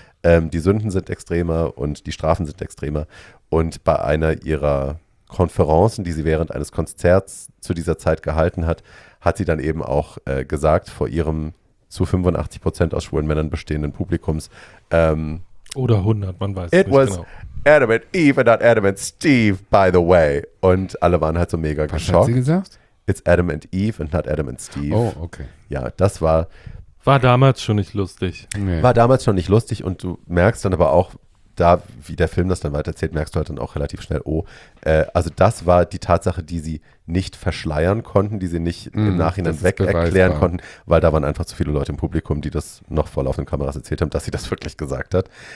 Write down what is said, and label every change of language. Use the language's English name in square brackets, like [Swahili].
[German] Die Sünden sind extremer und die Strafen sind extremer. Und bei einer ihrer Konferenzen, die sie während eines Konzerts zu dieser Zeit gehalten hat, hat sie dann eben auch gesagt, vor ihrem zu 85% aus schwulen Männern bestehenden Publikums. Oder 100, man weiß es nicht genau. [English] Adam and Eve and not Adam and Steve, by the way. [German] Und alle waren halt so mega geschockt. Was hat sie gesagt? [English] It's Adam and Eve and not Adam and Steve. Oh, okay. [German] Ja, das war... War damals schon nicht lustig. Nee. War damals schon nicht lustig und du merkst dann aber auch, da wie der Film das dann weitererzählt, merkst du halt dann auch relativ schnell, also das war die Tatsache, die sie nicht verschleiern konnten, die sie nicht im Nachhinein weg erklären konnten, weil da waren einfach zu viele Leute im Publikum, die das noch vor laufenden Kameras erzählt haben, dass sie das wirklich gesagt hat.